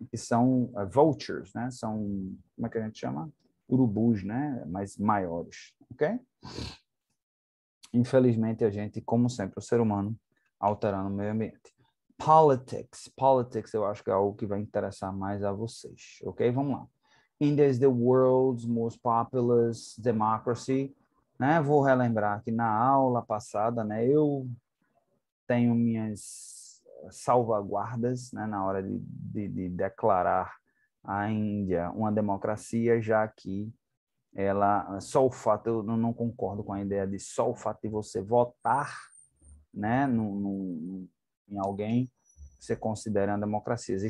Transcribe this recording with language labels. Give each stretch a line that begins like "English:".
Portuguese: E são vultures, né? São, como é que a gente chama? Urubus, né? Mas maiores, ok? Infelizmente, a gente, como sempre, o ser humano, alterando o meio ambiente. Politics. Politics, eu acho que é algo que vai interessar mais a vocês, ok? Vamos lá.
English: India is the world's most populous democracy.
Portuguese: Né? Vou relembrar que na aula passada, né? Eu tenho minhas salvaguardas, né, na hora de declarar a Índia uma democracia, já que ela, só o fato, eu não concordo com a ideia de só o fato de você votar, né, em alguém, você considera uma democracia.